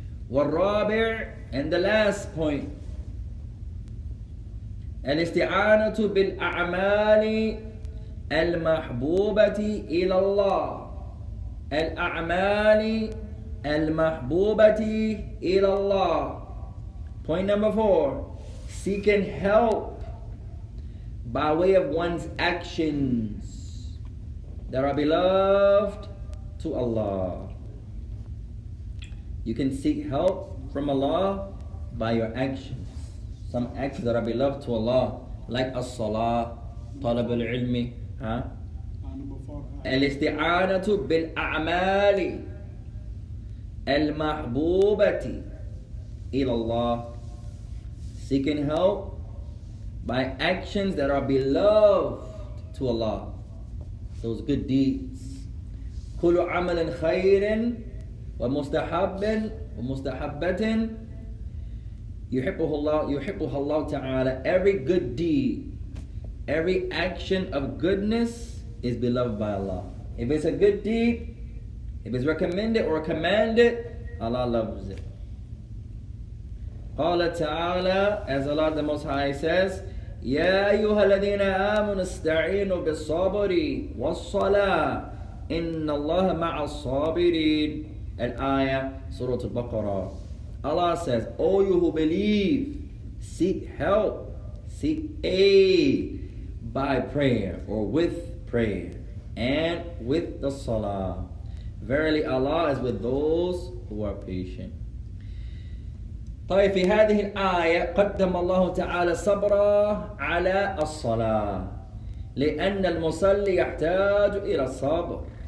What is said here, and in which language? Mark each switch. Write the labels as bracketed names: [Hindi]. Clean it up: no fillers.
[Arabic] والرابع, [English] and the last point, [Arabic] الاستعانة بالأعمال المحبوبة إلى الله. الأعمال المحبوبة إلى الله. [English] Point number four, seeking help by way of one's actions that are beloved to Allah. You can seek help from Allah by your actions. Some acts that are beloved to Allah, like as-salah, talab al-ilmi, [Arabic] al-isti'anatu bil-a'mali al-mahbubati ila Allah. [English] Seeking help by actions that are beloved to Allah. Those good deeds. [Arabic] Kulu amalin khayrin وَمُسْتَحَبٍ وَمُسْتَحَبَّةٍ يُحِبُّهُ اللَّهُ تَعَالَى. [English] Every good deed, every action of goodness is beloved by Allah. If it's a good deed, if it's recommended or commanded, Allah loves it. [Arabic] قَالَ تَعَالَى, [English] as Allah the Most High says, [Arabic] يَا أَيُّهَا الَّذِينَ آمُنُوا اسْتَعِينُوا بِالصَّبْرِ وَالصَّلَاةِ إِنَّ اللَّهَ مَعَ الصَّابِرِينَ. [English] Al-Ayah, Surah Al-Baqarah. Allah says, O you who believe, seek help, seek aid by prayer or with prayer and with the salah. Verily Allah is with those who are patient. [Arabic] طيب في هذه الآية قدم الله تعالى صبرا على الصلاة لأن المصلي يحتاج إلى الصبر.